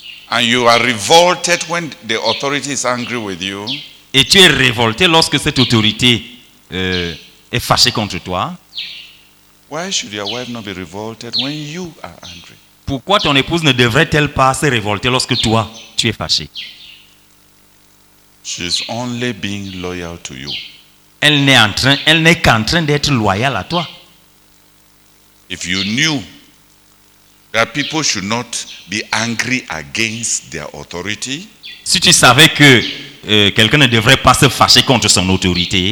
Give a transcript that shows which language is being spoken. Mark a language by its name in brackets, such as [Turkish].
[English] and you are revolted when the authority is angry with you, [French] et tu es révolté lorsque cette autorité est fâchée contre toi, [English] why should your wife not be revolted when you are angry? [French] Pourquoi ton épouse ne devrait-elle pas se révolter lorsque toi tu es fâché? [English] She's only being loyal to you. [French] Elle n'est qu'en train d'être loyale à toi. [English] If you knew that people should not be angry against their authority, [French] si tu savais que quelqu'un ne devrait pas se fâcher contre son autorité,